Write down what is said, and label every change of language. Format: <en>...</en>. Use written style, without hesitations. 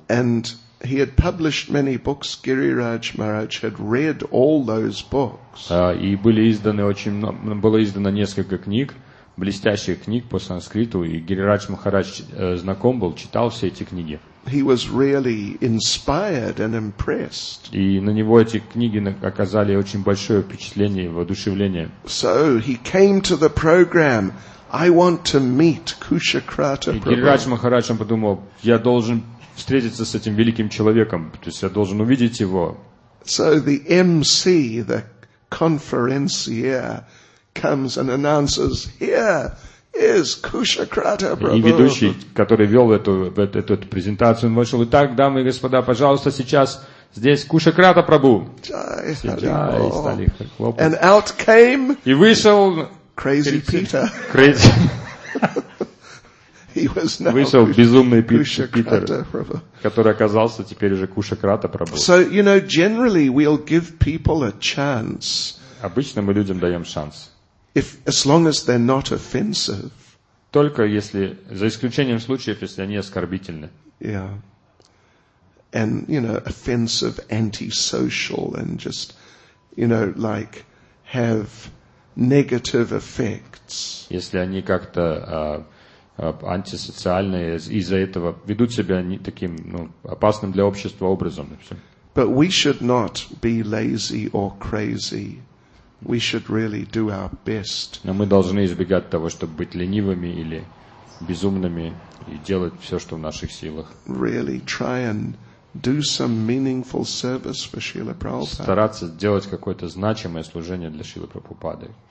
<en>And he had published many books. Гирирадж Махарадж had read all those books.</en> <ru>И были изданы очень много, было издано несколько книг блестящих книг по санскриту, и Гирирадж Махарадж знаком был, читал все эти книги.</ru> <en>He was really inspired and impressed.</en> <ru>И на него эти книги оказали очень большое впечатление и воодушевление.</ru> <en>So he came to the program. I want to meet Kushakrata Prabhu.</en> <ru>Гирирадж Махарадж подумал, я должен встретиться с этим великим человеком, то есть я должен увидеть его.</ru> <en>So the MC, the conferencier, comes and announces, here is Kushakrata Prabhu.</en> <ru>И ведущий, который вел эту презентацию, он вышел, итак, дамы и господа, пожалуйста, сейчас здесь Кушакрата Прабу. Джай, стали хлопать.</ru> <en>And out came...</en> <ru>И вышел...</ru> <en>Crazy Peter. Crazy. He was now</en> <ru>вышел безумный Питер, который оказался теперь уже Кушакрата Прабу.</ru> <en>So, you know, generally we'll give people a chance.</en> <ru>Обычно мы людям даем шанс.</ru> <en>If, as long as they're not offensive.</en> <ru>Только если, за исключением случаев, если они оскорбительны.</ru> <en>Yeah. And, you know, offensive, antisocial, and just, you know, like, have negative effects.</en> <ru>Если они как-то антисоциальные, из-за этого ведут себя не таким, ну, опасным для общества образом.</ru> <en>But we should not be lazy or crazy. We should really do our best.</en> <ru>Но мы должны избегать того, чтобы быть ленивыми или безумными и делать все, что в наших силах.</ru> <en>Really try and do some meaningful service for Srila Prabhupada.</en> <ru>Стараться сделать какое-то значимое служение для Шрилы Прабхупады.</ru>